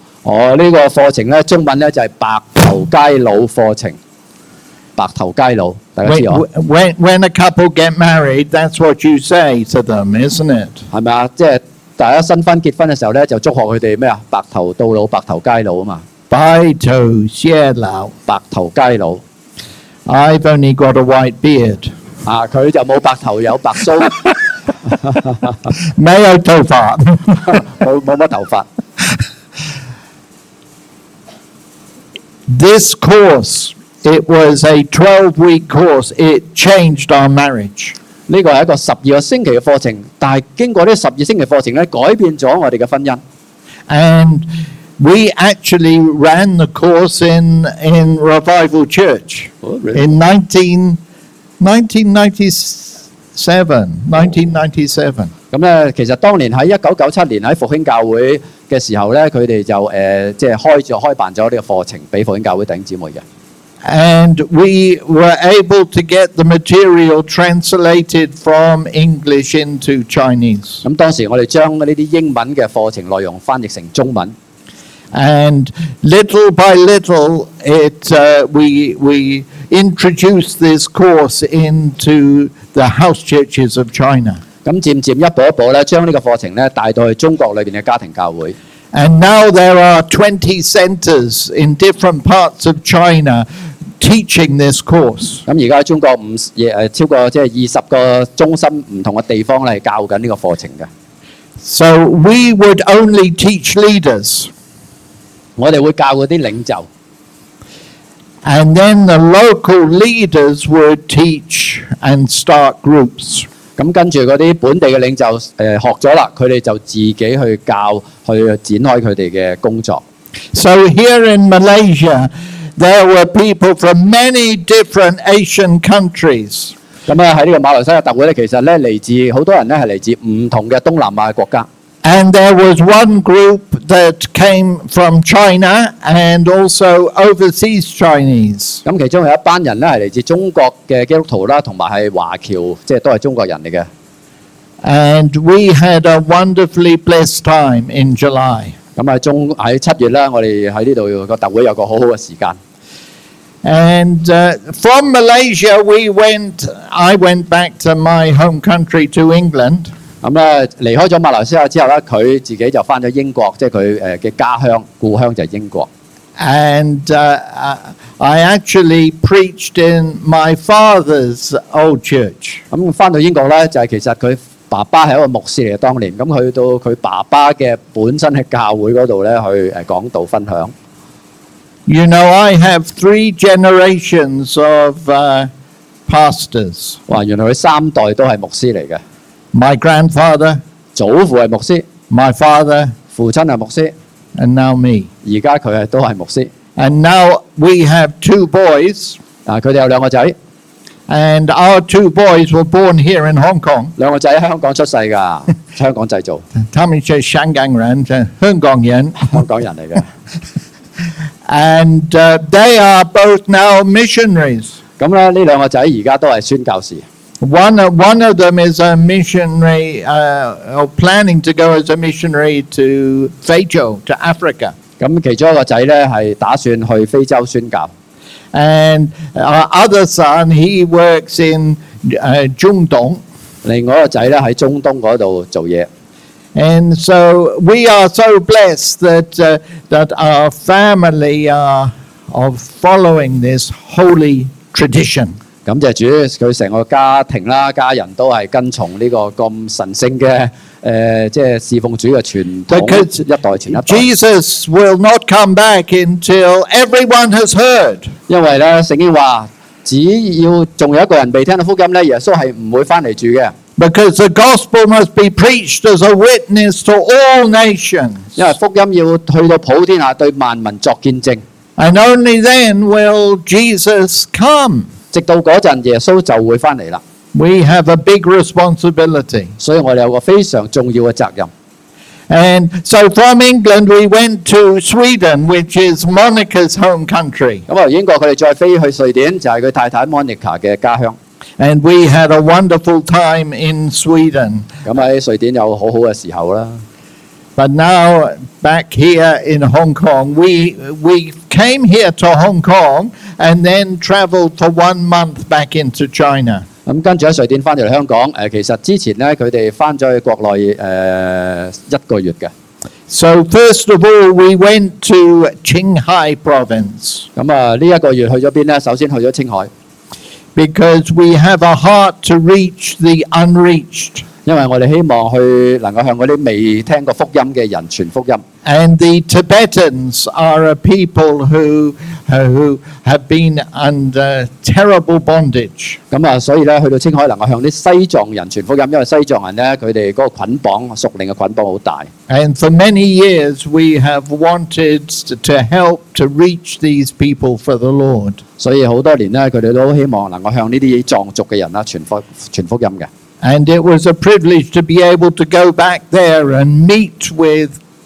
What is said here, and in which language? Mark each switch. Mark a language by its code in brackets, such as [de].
[yue] 哦，呢個課程咧中文咧就係白頭偕老課程。白頭偕老，大家知我。 [en] When a couple get married, that's what you say to them, isn't it? [yue] 係咪啊？即係大家新婚結婚嘅時候咧，就祝賀佢哋咩啊？白頭到老，白頭偕老啊嘛。白頭偕老，白頭偕老。 [en] I've only got a white beard。 [yue] 啊，佢就冇白頭，有白鬚。沒有頭髮，冇乜頭髮。 [en] This course. It was a 12-week course. It changed our marriage. [yue] 呢個係一個十二個星期嘅課程，但係經過呢十二星期課程咧，改變咗我哋嘅婚姻。 [en] And we actually ran the course in Revival Church in 1997. [yue] 咁咧，其實當年喺1997年喺復興教會嘅時候咧，佢哋就開辦咗呢個課程俾復興教會弟兄姊妹嘅。 [en] And we were able to get the material translated from English into Chinese. [yue] 咁當時我哋將呢啲英文嘅課程內容翻譯成中文。 [en] And little by little, we introduced this course into the house churches of China. [yue] 咁漸漸一步一步咧，將呢個課程咧帶到去中國裏邊嘅家庭教會。 [en] And now there are 20 centers in different parts of China. Teaching this course. [yue] 咁而家中國超過即係20個中心唔同嘅地方嚟教緊呢個課程嘅。 [en] So we would only teach leaders. [yue] 我哋會教嗰啲領袖。 [en] And then the local leaders would teach and start groups. [yue] 咁跟住嗰啲本地嘅領袖學咗啦，佢哋就自己去教，去展開佢哋嘅工作。 [en] So here in Malaysia. There were people from many different Asian countries. [yue] 咁啊，喺呢個馬來西亞特會咧，其實咧嚟自好多人咧係嚟自唔同嘅東南亞國家。 [en] And there was one group that came from China and also overseas Chinese. [yue] 咁其中有一班人咧係嚟自中國嘅基督徒啦，同埋係華僑，即係都係中國人嚟嘅。 [en] And we had a wonderfully blessed time in July. [yue] 咁喺中喺七月咧，我哋喺呢度個特會有個好好嘅時間。 [en] And from Malaysia, I went back to my home country to England。 [yue] 咁咧離開咗馬來西亞之後咧，佢自己就翻咗英國，即係佢嘅家鄉故鄉就係英國。 [en] And I actually preached in my father's old church。 [yue] 咁翻到英國咧，就係其實佢。爸爸是一個牧師嚟嘅，當年咁去到佢爸爸嘅本身嘅教會嗰度咧，去講道分享。 [en] You know, I have 3 generations of pastors。 [yue] 哇，原來佢三代都係牧師嚟嘅。 [en] My grandfather， [yue] 祖父係牧師。 [en] My father， [yue] 父親係牧師。 [en] And now me， [yue] 而家佢係都係牧師。 [en] And now we have 2 boys。 [yue] 啊，佢哋有兩個仔。 [en] And our 2 boys were born here in Hong Kong. [yue] 兩個仔喺香港出世噶，香港製造。他們是香港人，香港人，香港人嚟嘅。 [en] And they are both now missionaries. [yue] 咁咧，呢兩個仔而家都係宣教士。 [en] One of them is a missionary, planning to go as a missionary to Fejo, to Africa. [yue] 咁其中一個仔咧，係打算去非洲宣教。 [en] And our other son, he works in Zhongdong. [yue] 另外一個仔咧喺中東嗰度做嘢。 [en] And so we are so blessed that that our family are following this holy tradition. [yue] 感謝主，佢成個家庭啦，家人都係跟從呢個咁神聖嘅。侍奉主的傳統，一代前一代。 [en] Jesus will not come back until everyone has heard. [yue] 因為咧，聖經話，只要仲有一個人未聽到福音咧，耶穌係唔會翻嚟住嘅。 [en] Because the gospel must be preached as a witness to all nations. [yue] 因為福音要去到普天下，對萬民作見證。 [en] And only then will Jesus come. [yue] 直到嗰陣，耶穌就會翻嚟啦。 [en] We have a big responsibility. [yue] 所以我哋有个非常重要嘅责任。 [en] And so from England we went to Sweden, which is Monica's home country. [yue] 咁由英国佢哋再飞去瑞典，就系佢太太 Monica 嘅家乡。 [en] And we had a wonderful time in Sweden. [yue] 咁喺瑞典有好好嘅时候啦。 [en] But now back here in Hong Kong, we came here to Hong Kong and then travelled for 1 month back into China. [yue] 咁跟住喺瑞典翻嚟香港，其實之前咧佢哋翻咗去國內一個月嘅。 [en] So first of all, we went to Qinghai province。 [yue] 咁啊，呢一個月去咗邊咧？首先去咗青海。 [en] Because we have a heart to reach the unreached。 [yue] 因為我哋希望去能夠向嗰啲未聽過福音嘅人傳福音。 [en] And the Tibetans are a people who have been under terrible bondage. [yue] 咁啊，所以咧，去到青海能够向啲西藏人传福音，因为西藏人咧，佢哋嗰个捆绑、属灵嘅捆绑好大。 [en] And for many years, we have wanted to help to reach these people for the Lord. [yue] 所以好多年咧，佢哋都希望能够向呢啲藏族嘅人啦传福音嘅。 [en] And it was a privilege to be able to go back there and meet with.